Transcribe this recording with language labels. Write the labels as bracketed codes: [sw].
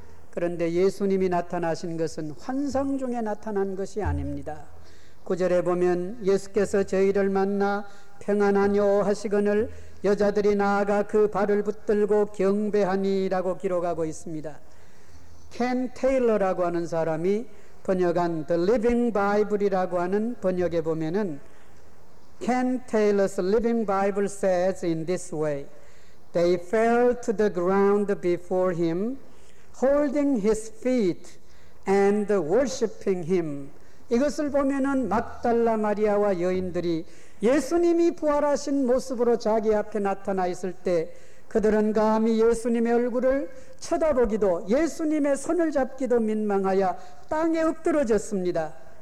[ko] 그런데 예수님이 나타나신 것은 환상 중에 나타난 것이 아닙니다. 9절에 보면 예수께서 저희를 만나 평안하뇨 하시거늘 여자들이 나아가 그 발을 붙들고 경배하니라고 기록하고 있습니다. 켄 테일러라고 하는 사람이 번역한 The Living Bible이라고 하는 번역에 보면은 [en] Ken Taylor's Living Bible says in this way, They fell to the ground before him, holding his feet and worshiping him. [ko] 이것을 보면은 막달라 마리아와 여인들이 예수님이 부활하신 모습으로 자기 앞에 나타나 있을 때 그들은 감히 예수님의 얼굴을 쳐다보기도 예수님의 손을 잡기도 민망하여 땅에 엎드러졌습니다.